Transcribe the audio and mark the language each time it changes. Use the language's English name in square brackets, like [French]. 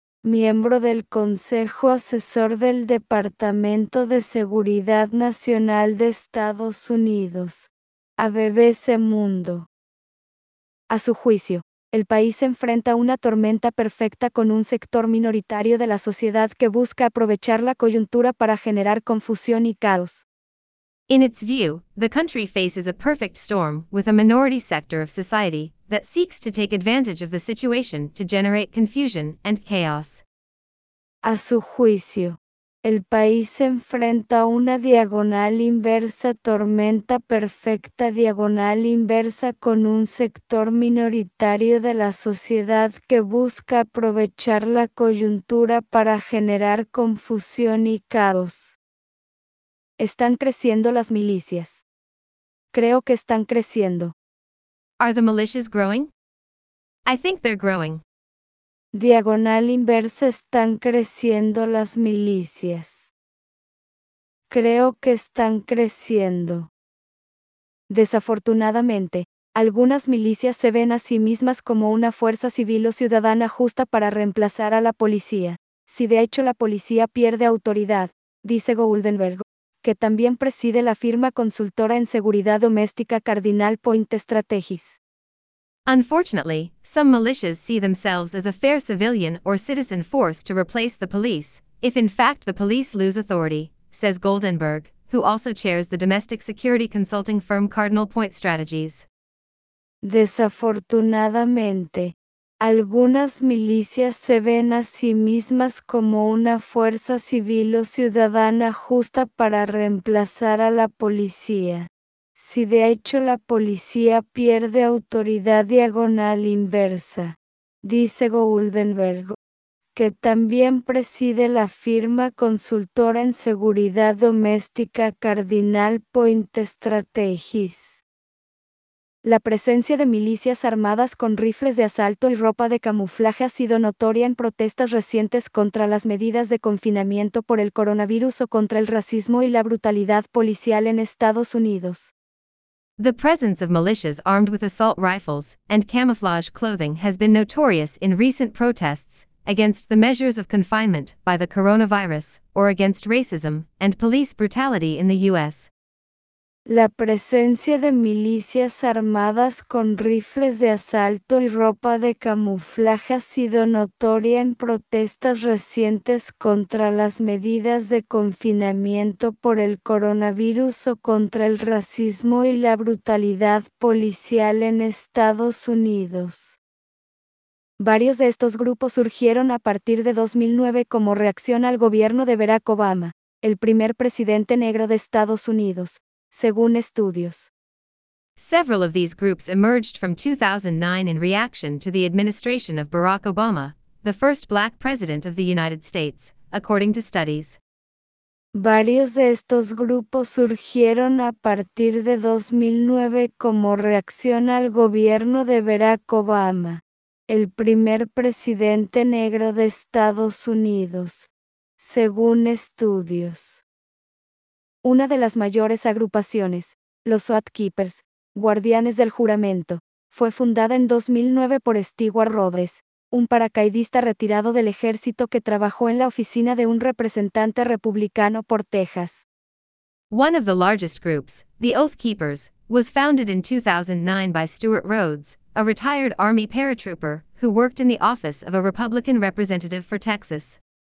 [Spanish] miembro del Consejo Asesor del Departamento de Seguridad Nacional de Estados Unidos, a BBC Mundo. A su juicio, el país enfrenta una tormenta perfecta con un sector minoritario de la sociedad que busca aprovechar la coyuntura para generar confusión y caos. [English] In its view, the country faces a perfect storm with a minority sector of society that seeks to take advantage of the situation to generate confusion and chaos. [Spanish] A su juicio, el país enfrenta una diagonal inversa tormenta perfecta diagonal inversa con un sector minoritario de la sociedad que busca aprovechar la coyuntura para generar confusión y caos. Están creciendo las milicias. Creo que están creciendo. [English] Are the militias growing? I think they're growing. [Spanish] Diagonal inversa están creciendo las milicias. Creo que están creciendo. Desafortunadamente, algunas milicias se ven a sí mismas como una fuerza civil o ciudadana justa para reemplazar a la policía. Si de hecho la policía pierde autoridad, dice Goldenberg, que también preside la firma consultora en seguridad doméstica Cardinal Point Strategies. [English] Unfortunately, some militias see themselves as a fair civilian or citizen force to replace the police, if in fact the police lose authority, says Goldenberg, who also chairs the domestic security consulting firm Cardinal Point Strategies. [Spanish] Desafortunadamente, algunas milicias se ven a sí mismas como una fuerza civil o ciudadana justa para reemplazar a la policía. Si de hecho la policía pierde autoridad diagonal inversa, dice Goldenberg, que también preside la firma consultora en seguridad doméstica Cardinal Point Strategies. La presencia de milicias armadas con rifles de asalto y ropa de camuflaje ha sido notoria en protestas recientes contra las medidas de confinamiento por el coronavirus o contra el racismo y la brutalidad policial en Estados Unidos. [English] The presence of militias armed with assault rifles and camouflage clothing has been notorious in recent protests against the measures of confinement by the coronavirus or against racism and police brutality in the U.S. [Spanish] La presencia de milicias armadas con rifles de asalto y ropa de camuflaje ha sido notoria en protestas recientes contra las medidas de confinamiento por el coronavirus o contra el racismo y la brutalidad policial en Estados Unidos. Varios de estos grupos surgieron a partir de 2009 como reacción al gobierno de Barack Obama, el primer presidente negro de Estados Unidos. Según estudios, [English] several of these groups emerged from 2009 in reaction to the administration of Barack Obama, the first black president of the United States, according to studies. [Spanish] Varios de estos grupos surgieron a partir de 2009 como reacción al gobierno de Barack Obama, el primer presidente negro de Estados Unidos, según estudios. Una de las mayores agrupaciones, los Oath Keepers, Guardianes del Juramento, fue fundada en 2009 por Stewart Rhodes, un paracaidista retirado del ejército que trabajó en la oficina de un representante republicano por Texas. [English] One of the largest groups, the Oath Keepers, was founded in 2009 by Stewart Rhodes, a retired Army paratrooper who worked in the office of a Republican representative for Texas.